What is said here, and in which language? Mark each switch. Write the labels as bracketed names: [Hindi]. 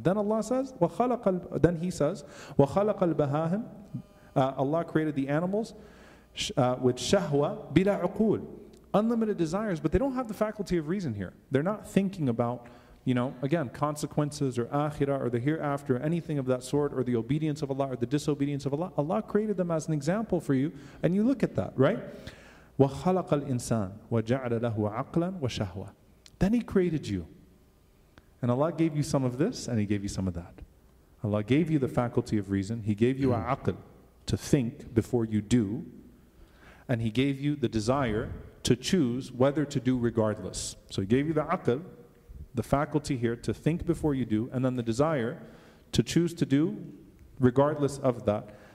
[English] Then Allah says, [Arabic] وَخَلَقَ الْبَهَاهِمْ [English] Allah created the animals with [Arabic] shahwa bila uqul. [English] Unlimited desires, but they don't have the faculty of reason here. They're not thinking about, you know, again, consequences or akhirah or the hereafter or anything of that sort or the obedience of Allah or the disobedience of Allah. Allah created them as an example for you, and you look at that, right? [Arabic] وَخَلَقَ الْإِنسَانِ وَجَعْلَ لَهُ عَقْلًا وَشَهْوَةً [English] Then He created you. And Allah gave you some of this, and He gave you some of that. Allah gave you the faculty of reason. He gave you aql, to think before you do. And He gave you the desire to choose whether to do regardless. So He gave you the aql, the faculty here to think before you do, and then the desire to choose to do regardless of that.